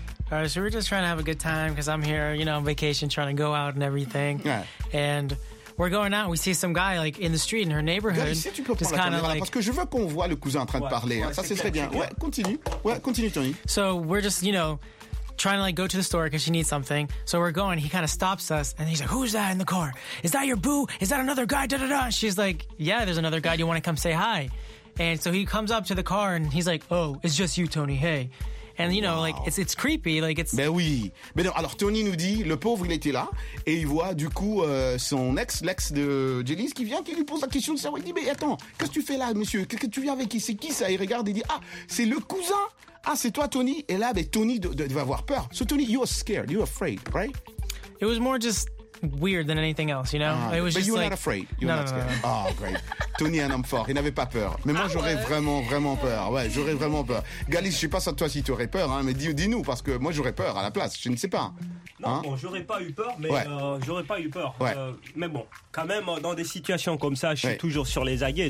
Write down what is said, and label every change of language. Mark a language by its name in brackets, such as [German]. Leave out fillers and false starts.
[English] All right, so we're just trying to have a good time because I'm here, you know, on vacation, trying to go out and everything. Yeah. And we're going out, we see some guy like in the street in her neighborhood. [French] Gars, tu peux prendre la caméra, parce que je veux qu'on voit le cousin en train de parler. Ouais, hein. Ça, ce serait bien. Continue, Tony. [English] So we're just, you know, trying to like go to the store because she needs something. So we're going. He kind of stops us and he's like, "Who's that in the car? Is that your boo? Is that another guy?" Da da da. She's like, "Yeah, there's another guy. Do you want to come say hi?" And so he comes up to the car and he's like, "Oh, it's just you, Tony. Hey." And you know, like it's creepy. Like it's. [French] Ben oui. Mais non. Alors Tony nous dit, le pauvre, il était là et il voit du coup son ex, l'ex de Jelly's qui vient, qui lui pose la question. Ça, il dit, mais attends, qu'est-ce que tu fais là, monsieur? Que tu viens avec qui? C'est qui ça? Il regarde et dit, ah, c'est le cousin. Ah, c'est toi, Tony. Et là, ben, Tony va avoir peur. [English] So, Tony, you are scared. You are afraid, right? It was more just weird than anything else, you know? It was but just you were like... not afraid. You were no, not scared. No, no, no. Oh, great. [French] Tony est un homme fort. Il n'avait pas peur. Mais moi, j'aurais vraiment, vraiment peur. Ouais, j'aurais vraiment peur. Galice, je ne sais pas ça toi si tu aurais peur, hein, mais dis-nous, parce que moi, j'aurais peur à la place. Je ne sais pas. Non, hein? Bon, j'aurais pas eu peur, mais j'aurais pas eu peur. Ouais. Mais bon, quand même, dans des situations comme ça, je suis toujours sur les aguets.